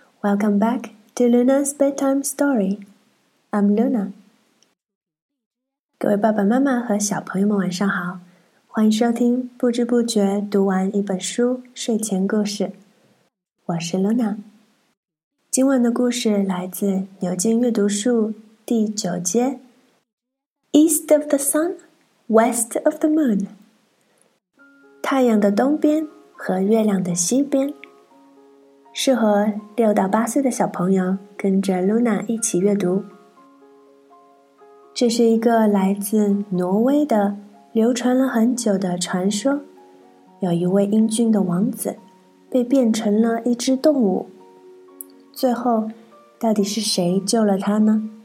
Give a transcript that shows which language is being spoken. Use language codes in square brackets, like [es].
[en] Welcome back to Luna's Bedtime Story. I'm Luna. [zh] 各位爸爸妈妈和小朋友们晚上好，欢迎收听不知不觉读完一本书睡前故事。我是 Luna。今晚的故事来自牛津阅读树第九阶。 [en] East of the Sun, West of the Moon. [zh] 太阳的东边和月亮的西边。适合六到八岁的小朋友跟着 Luna 一起阅读。这是一个来自挪威的流传了很久的传说，有一位英俊的王子被变成了一只动物，最后到底是谁救了他呢？